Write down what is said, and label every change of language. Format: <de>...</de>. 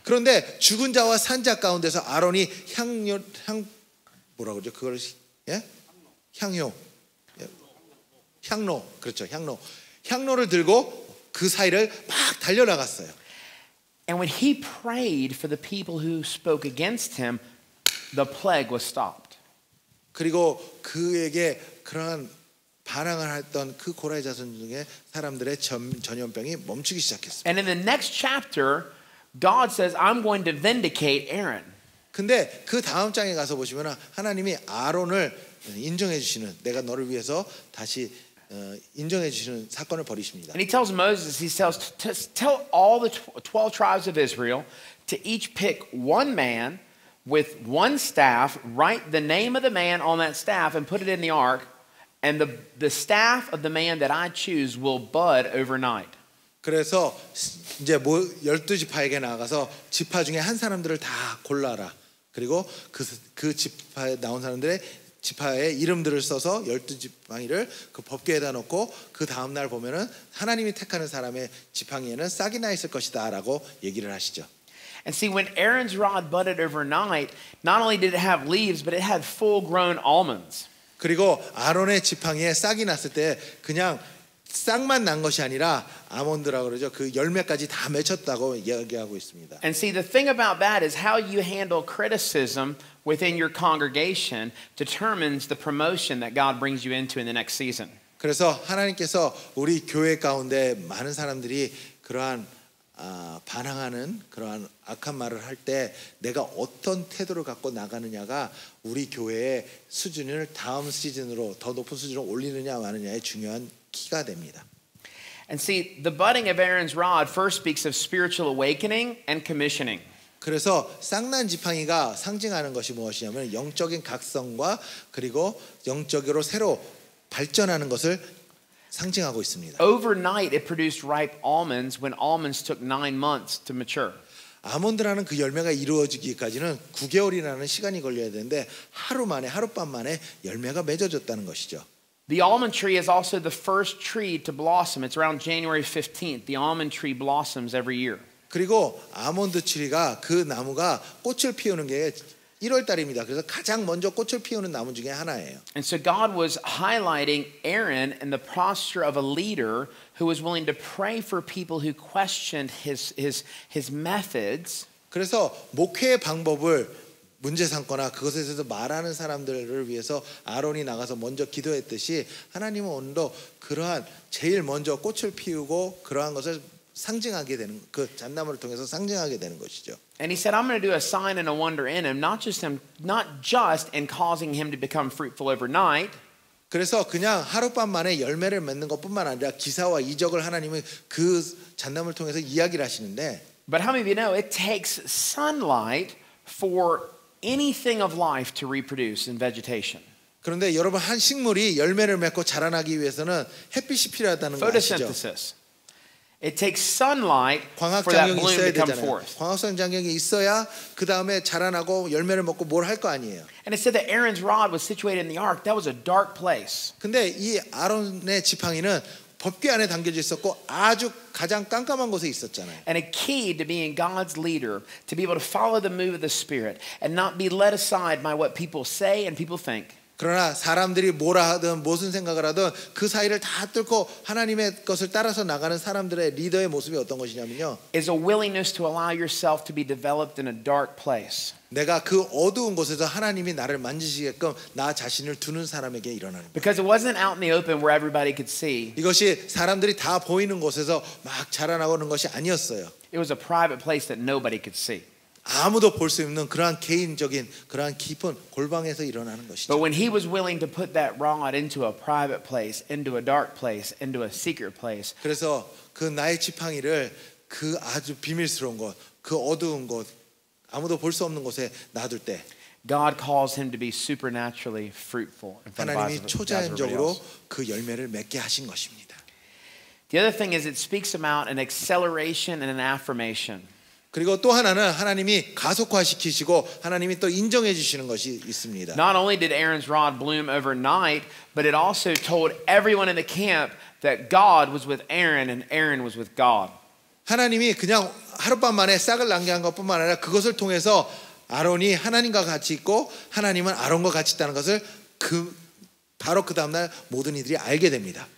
<ko>그런데 죽은 자와 산 자 가운데서 아론이 향 뭐라고 그러죠? 그걸 예? 향요. 예. 향로. 그렇죠. 향로. 향로를 들고 그 사이를 막 달려 나갔어요.</ko> <en>And when he prayed for the people who spoke against him, the plague was stopped.</en> <ko>그리고 그에게 그런 반항을 했던 그 고라의 자손 중에 사람들의 전염병이 멈추기 시작했습니다.</ko> <en>And in the next chapter, God says, "I'm going to vindicate Aaron."</en> <ko>근데 그 다음 장에 가서 보시면 하나님이 아론을 인정해 주시는 내가 너를 위해서 다시 인정해 주시는 사건을 벌이십니다.</ko> <en>And he tells Moses, he tells, tell all the 12 tribes of Israel to each pick one man with one staff, write the name of the man on that staff, and put it in the ark. And the staff of the man that I choose will bud overnight.</en> <ko>그래서 이제 열두 지파에게 나가서 지파 중에 한 사람들을 다 골라라. 그리고 그 지파에 나온 사람들의 지파의 이름들을 써서 열두 지팡이를 그 법궤에다 놓고 그 다음 날 보면은 하나님이 택하는 사람의 지팡이에는 싹이 나 있을 것이다라고 얘기를 하시죠.</ko> <en>And see, when Aaron's rod budded overnight, not only did it have leaves, but it had full-grown almonds.</en> <ko>그리고 아론의 지팡이에 싹이 났을 때 그냥 싹만 난 것이 아니라 아몬드라고 그러죠. 그 열매까지 다 맺혔다고 이야기하고 있습니다.</ko> <en>And see the thing about that is how you handle criticism within your congregation determines the promotion that God brings you into in the next season.</en> <ko>그래서 하나님께서 우리 교회 가운데 많은 사람들이 그러한 반항하는 그러한 악한 말을 할 때 내가 어떤 태도를 갖고 나가느냐가 우리 교회의 수준을 다음 시즌으로 더 높은 수준으로 올리느냐 마느냐의 중요한 키가 됩니다.</ko> <en>And see, the budding of Aaron's rod first speaks of spiritual awakening and commissioning.</en> <ko>그래서 쌍난 지팡이가 상징하는 것이 무엇이냐면 영적인 각성과 그리고 영적으로 새로 발전하는 것을 상징하고 있습니다.</ko> <en>Overnight it produced ripe almonds when almonds took 9 months to mature.</en> <ko>아몬드라는 그 열매가 이루어지기까지는 9개월이라는 시간이 걸려야 되는데 하루 만에 하룻밤 만에 열매가 맺어졌다는 것이죠.</ko> <en>The almond tree is also the first tree to blossom. It's around January 15th. The almond tree blossoms every year.</en> <ko>그리고 아몬드 추리가 그 나무가 꽃을 피우는 게 1월 달입니다. 그래서 가장 먼저 꽃을 피우는 나무 중에 하나예요.</ko> <en>And so God was highlighting Aaron in the posture of a leader who was willing to pray for people who questioned his methods.</en> <ko>그래서 목회의 방법을 문제 삼거나 그것에 대해서 말하는 사람들을 위해서 아론이 나가서 먼저 기도했듯이 하나님은 오늘도 그러한 제일 먼저 꽃을 피우고 그러한 것을 상징하게 되는 그 잣나무를 통해서 상징하게 되는 것이죠.</ko> <en>And he said, "I'm going to do a sign and a wonder in him, not just in causing him to become fruitful overnight."</en> <ko>그래서 그냥 하룻밤 만에 열매를 맺는 것뿐만 아니라 기사와 이적을 하나님은 그 잔담을 통해서 이야기를 하시는데</ko> <en>But how many of you know it takes sunlight for anything of life to reproduce in vegetation?</en> <ko>그런데 여러분 한 식물이 열매를 맺고 자라나기 위해서는 햇빛이 필요하다는 거 아시죠?</ko> <en>Photosynthesis. It takes sunlight for that bloom to come forth.</en> <ko>광합성 작용이 있어야 그 다음에 자라나고 열매를 먹고 뭘 할 거 아니에요.</ko> <en>And it said that Aaron's rod was situated in the ark. That was a dark place.</en> <ko>근데 이 아론의 지팡이는 법궤 안에 담겨져 있었고 아주 가장 깜깜한 곳에 있었잖아요.</ko> <en>And a key to being God's leader, to be able to follow the move of the Spirit and not be led aside by what people say and people think.</en> <ko>그러나 사람들이 뭐라 하든 무슨 생각을 하든 그 사이를 다 뚫고 하나님의 것을 따라서 나가는 사람들의 리더의 모습이 어떤 것이냐면요.</ko> <en>Is a willingness to allow yourself to be developed in a dark place.</en> <ko>내가 그 어두운 곳에서 하나님이 나를 만지시게끔 나 자신을 두는 사람에게 일어나는 거예요.</ko> <en>Because it wasn't out in the open where everybody could see.</en> <ko>이것이 사람들이 다 보이는 곳에서 막 자라나오는 것이 아니었어요.</ko> <en>It was a private place that nobody could see.</en> <ko>아무도 볼 수 없는 그러한 개인적인 그러한 깊은 골방에서 일어나는 것이죠.</ko> <en>But when he was willing to put that rod into a private place, into a dark place, into a secret place.</en> <ko>그래서 그 나의 지팡이를 그 아주 비밀스러운 곳, 그 어두운 곳, 아무도 볼 수 없는 곳에 놔둘 때</ko> <en>God calls him to be supernaturally fruitful.</en> <ko>하나님이 초자연적으로 그 열매를 맺게 하신 것입니다.</ko> <en>The other thing is it speaks about an acceleration and an affirmation.</en> <ko>그리고 또 하나는 하나님이 가속화시키시고 하나님이 또 인정해 주시는 것이 있습니다.</ko> <en>Not only did Aaron's rod bloom overnight, but it also told everyone in the camp that God was with Aaron and Aaron was with God.</en> <ko>하나님이 그냥 하룻밤 만에 싹을 남겨한 것뿐만 아니라 그것을 통해서 아론이 하나님과 같이 있고 하나님은 아론과 같이 있다는 것을 그 바로 그 다음 날 모든 이들이 알게 됩니다.</ko>